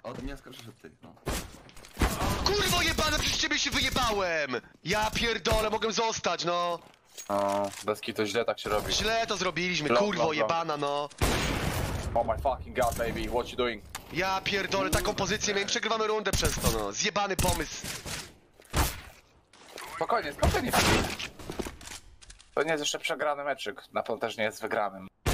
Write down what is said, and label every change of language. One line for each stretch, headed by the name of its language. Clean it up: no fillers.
Polish: Od mnie skorzysz od tych, no. Kurwo jebane, przecież ciebie się wyjebałem! Ja pierdolę, mogłem zostać, no. A, deski to źle tak się robi. Źle to zrobiliśmy, kurwo jebana, no.
English: Oh my fucking god, baby, what you doing?
Polish: Ja pierdolę, taką pozycję miałem, przegrywamy rundę przez to, no. Zjebany pomysł. Spokojnie. To nie jest jeszcze przegrany meczyk. Na pewno też nie jest wygranym.